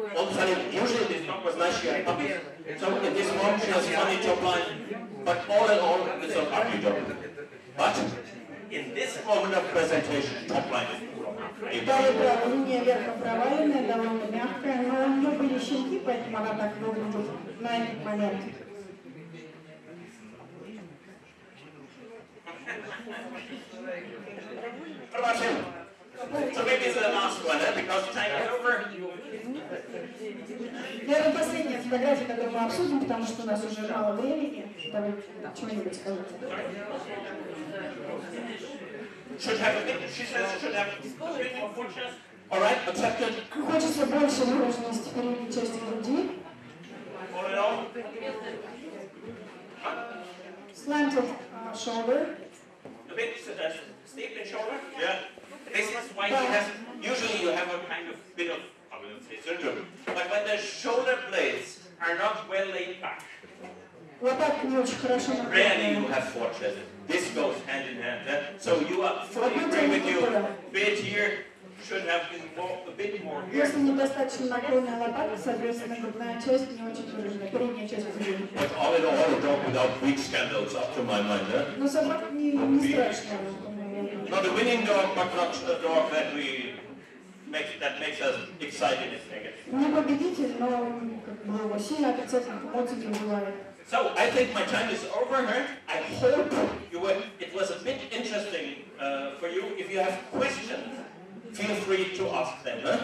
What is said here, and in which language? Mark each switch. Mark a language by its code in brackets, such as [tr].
[en] All the time, usually this top was nice, she had puppy. So in this one she has funny top line, but all in all it's a puppy job. But in this moment of presentation, top line is the problem. [ru] Да, это линия верхом провалена, довольно мягкая, но у нее были щенки, поэтому она так выглядит на этот момент. [en] What about him? So maybe it's the last one, eh? Because time is over. [ru] Наверное, последняя фотография, которую мы обсудим, потому что у нас уже мало времени. Давайте чего-нибудь скажите. [en] Should have a bit, she says should have a bit more chest. All right, accepted. [ru] Хочется больше наружности передней части груди. [en] All in all. Slanted shoulder. A bit steep in shoulder. Yeah. This is why she has, usually you have a kind of bit of, I will say syndrome, but when the shoulder blades are not well laid back. [ru] Лопатки не очень хорошо. [en] Rarely you have four chest. This goes hand in hand. So you are fully agree with you. Bit here should have been more, a bit more here. [ru] Если недостаточно наклонная лопатка, соответственно, грудная часть не очень выражена. Передняя часть уже. [en] But all in all, a dog without big scandals, up to my mind. [ru] Но собака не страшная. [en] Not a winning dog, but not a dog that we make, that makes us excited and negative. [ru] Не победитель, но его сильно отрицательных отзывов не бывает. [en] So I think my time is over, huh? I hope you were, it was a bit interesting for you. If you have questions, feel free to ask them,